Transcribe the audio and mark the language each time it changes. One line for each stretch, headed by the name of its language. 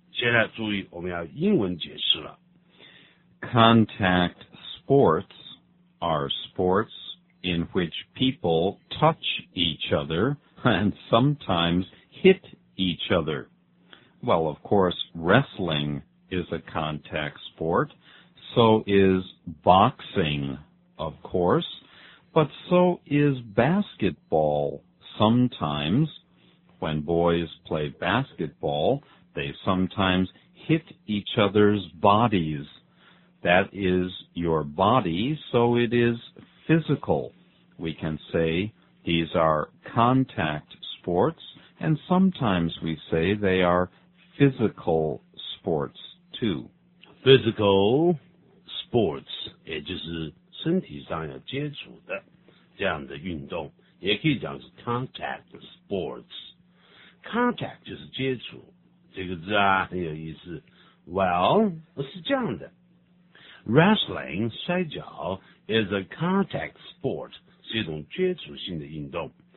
Chinese: 现在注意，我们要英文解释了。
English: Contact sports are sports in which people touch each other and sometimes hit each other. Well, of course, wrestling is a contact sport. So is boxing, of course, but so is basketball sometimes. When boys play basketball, they sometimes hit each other's bodies. That is your body, so it is physical. We can say these are contact sports, and sometimes we say they are physical sports, too. Physical.
Chinese: Sports 也就是身体上要接触的这样的运动，也可以讲是 contact sports。 Contact 就是接触，这个字啊很有意思。 Well 是这样的， Wrestling 摔跤
English: is a contact sport，
Chinese: 是一种接触性的运动。